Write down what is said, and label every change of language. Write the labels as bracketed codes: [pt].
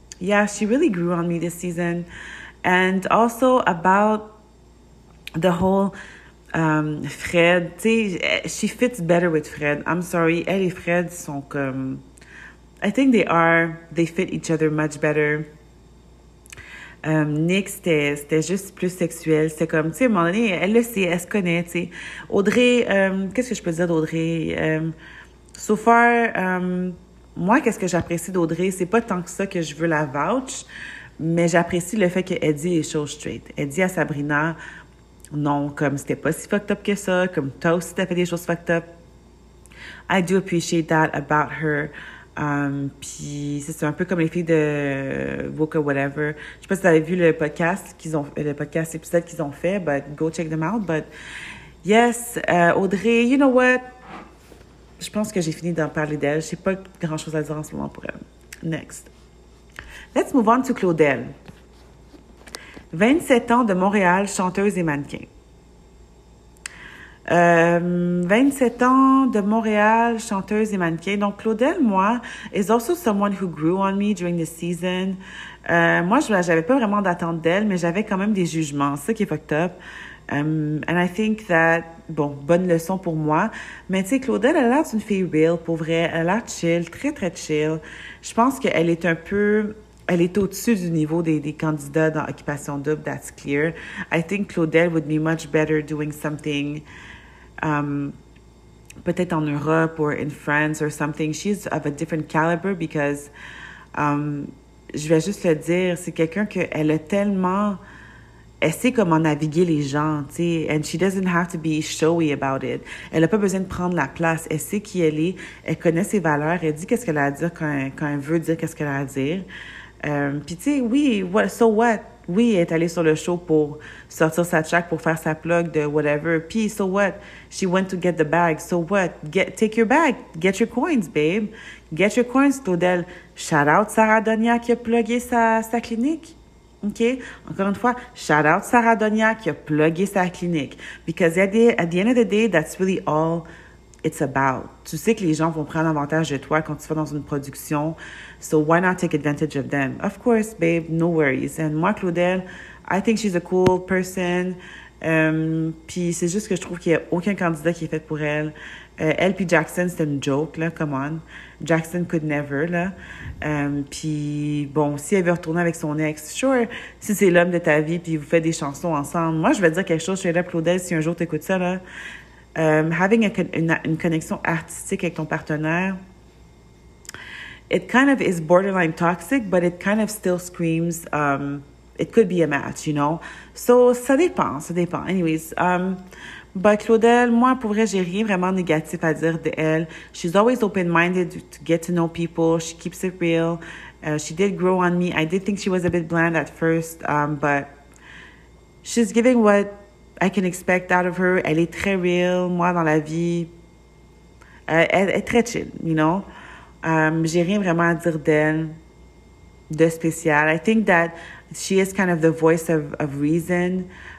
[en] Yeah, she really grew on me this season. And also about the whole Fred, [fr] tu sais, [en] she fits better with Fred. I'm sorry, [fr] elle et Fred sont comme... [en] I think they fit each other much better. [fr] Nick, c'était juste plus sexuel. C'était comme, tu sais, à un moment donné, elle le sait, elle se connaît, tu sais. Audrey, qu'est-ce que je peux dire d'Audrey? [en] So far... [fr] moi, qu'est-ce que j'apprécie d'Audrey? C'est pas tant que ça que je veux la vouch, mais j'apprécie le fait qu'elle dit les choses straight. Elle dit à Sabrina, non, comme c'était pas si fucked up que ça, comme toi aussi t'as fait des choses fucked up. [en] I do appreciate that about her. [fr] Puis c'est un peu comme les filles de Woke or Whatever. Je sais pas si vous avez vu le podcast qu'ils ont, le podcast épisode qu'ils ont fait, [en] but go check them out. But yes, Audrey, you know what? [fr] Je pense que j'ai fini d'en parler d'elle. Je n'ai pas grand-chose à dire en ce moment pour elle. [en] Next. Let's move on to Claudelle. [fr] 27 ans de Montréal, chanteuse et mannequin. 27 ans de Montréal, chanteuse et mannequin. Donc, Claudelle, moi, [en] is also someone who grew on me during the season. [fr] Moi, je n'avais pas vraiment d'attente d'elle, mais j'avais quand même des jugements. C'est ça qui est fucked up. [en] And I think that, [fr] bon, bonne leçon pour moi. Mais tu sais, Claudelle, elle a l'air d'une fille real, pour vrai. Elle a l'air chill, très, très chill. Je pense qu'elle est un peu... Elle est au-dessus du niveau des candidats dans Occupation Double, [en] that's clear. I think Claudelle would be much better doing something... [fr] peut-être en Europe [en] or in France or something. She's of a different caliber because... [fr] je vais juste le dire, c'est quelqu'un qu'elle a tellement... Elle sait comment naviguer les gens, tu sais. [en] And she doesn't have to be showy about it. [fr] Elle n'a pas besoin de prendre la place. Elle sait qui elle est. Elle connaît ses valeurs. Elle dit qu'est-ce qu'elle a à dire quand elle veut dire qu'est-ce qu'elle a à dire. Puis, tu sais, oui, [en] so what? [fr] Oui, elle est allée sur le show pour sortir sa track, pour faire sa plug de whatever. [en] Puis, so what? She went to get the bag. So what? Take your bag. Get your coins, babe. Get your coins, Claudelle. Shout out Sarah Donia [fr] qui a plugué sa clinique. [en] OK? [fr] Encore une fois, shout-out Sarah Donia qui a plugué sa clinique. [en] Because at the end of the day, that's really all it's about. [fr] Tu sais que les gens vont prendre avantage de toi quand tu vas dans une production. [en] So why not take advantage of them? Of course, babe, no worries. And moi, Claudel, I think she's a cool person. [fr] Puis c'est juste que je trouve qu'il n'y a aucun candidat qui est fait pour elle. Elle puis Jackson, c'était une joke, là, [en] come on. Jackson could never, [fr] là. Puis bon, si elle veut retourner avec son ex, sure, si c'est l'homme de ta vie puis vous faites des chansons ensemble. Moi, je vais te dire quelque chose, chérie Claudel, si un jour t'écoutes ça, là. [en] Having [fr] une connexion artistique avec ton partenaire, [en] it kind of is borderline toxic, but it kind of still screams, it could be a match, you know? [fr] So, ça dépend, ça dépend. [en] Anyways, but [fr] Claudel, moi, pour vrai, j'ai rien vraiment négatif à dire d'elle. [en] She's always open-minded to get to know people. She keeps it real. She did grow on me. I did think she was a bit bland at first, but she's giving what I can expect out of her. [fr] Elle est très real, moi, dans la vie. Elle est très chill, [en] you know? [fr] J'ai rien vraiment à dire d'elle de spécial. [en] I think that she is kind of the voice of reason.